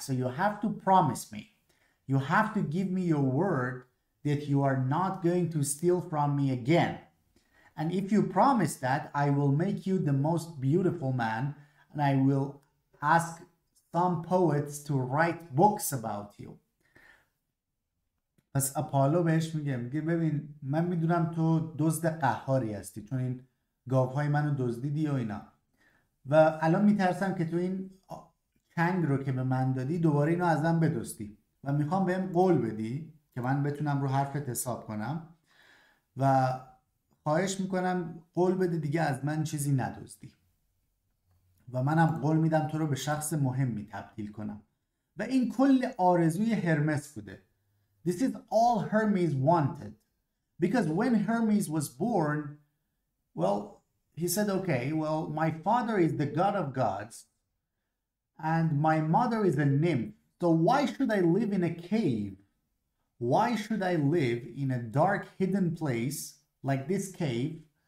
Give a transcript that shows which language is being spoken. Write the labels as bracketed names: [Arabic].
[English] So you have to promise me, you have to give me your word that you are not going to steal from me again. And if you promise that, I will make you the most beautiful man and I will ask some poets to write books about you. [Persian] پس آپولو بهش میگه، میگه ببین من میدونم تو دزد قهاری هستی چون این گاوهای منو دزدیدی و اینا و الان میترسم که تو این چنگ رو که به من دادی دوباره اینو ازم بدزدی و میخوام بهم قول بدی که من بتونم رو حرفت حساب کنم و خواهش میکنم قول بده دیگه از من چیزی ندزدی و منم قول میدم تو رو به شخص مهمی تبدیل کنم و این کل آرزوی هرمس بوده. [English] This is all Hermes wanted because when Hermes was born, well, he said, okay, well, my father is the god of gods and my mother is a nymph. So why should I live in a cave? Why should I live in a dark, hidden place like this cave?